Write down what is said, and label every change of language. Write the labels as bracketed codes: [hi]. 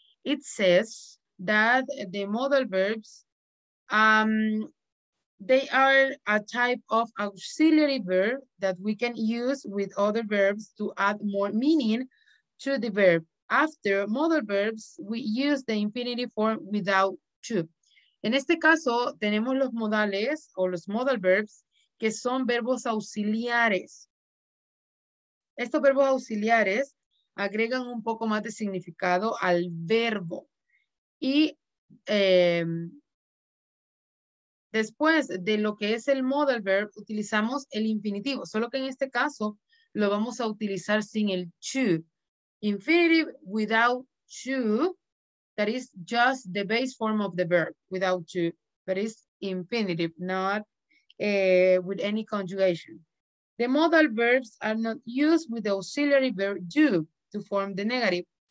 [en] It says that the modal verbs, they are a type of auxiliary verb that we can use with other verbs to add more meaning to the verb. After modal verbs, we use the infinitive form without to. [es] En este caso, tenemos los modales o los modal verbs que son verbos auxiliares. Estos verbos auxiliares agregan un poco más de significado al verbo. Y después de lo que es el modal verb, utilizamos el infinitivo. Solo que en este caso lo vamos a utilizar sin el to. [en] Infinitive without to, that is just the base form of the verb, without to. But it's infinitive, not with any conjugation. The modal verbs are not used with the auxiliary verb do to form the negative.